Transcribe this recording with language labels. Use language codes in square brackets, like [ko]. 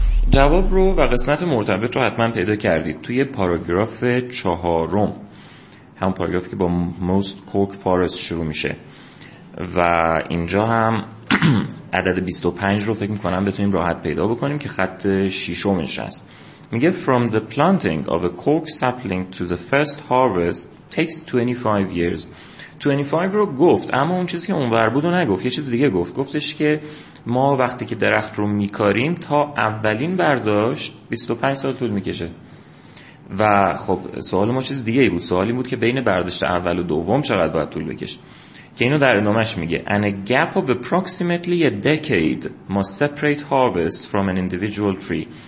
[fa] جواب رو و قسمت مرتبط رو حتما پیدا کردید توی پاراگراف چهارم، هم پاراگرافی که با [en] most cork forest [fa] شروع میشه، و اینجا هم عدد 25 رو فکر میکنم بتونیم راحت پیدا بکنیم که خط ششمش هست. [en] میگه From the planting of a cork sapling to the first harvest takes 25 years. [fa] 25 رو گفت، اما اون چیزی که اونور بود رو نگفت، یه چیز دیگه گفت. گفتش که ما وقتی که درخت رو میکاریم تا اولین برداشت 25 سال طول میکشه. و خب سوال ما چیز دیگه ای بود، سوال این بود که بین برداشت اول و دوم چقدر باید طول بکشه، که اینو در ادامهش میگه: [en] And a gap of approximately a decade must separate harvest from an individual tree.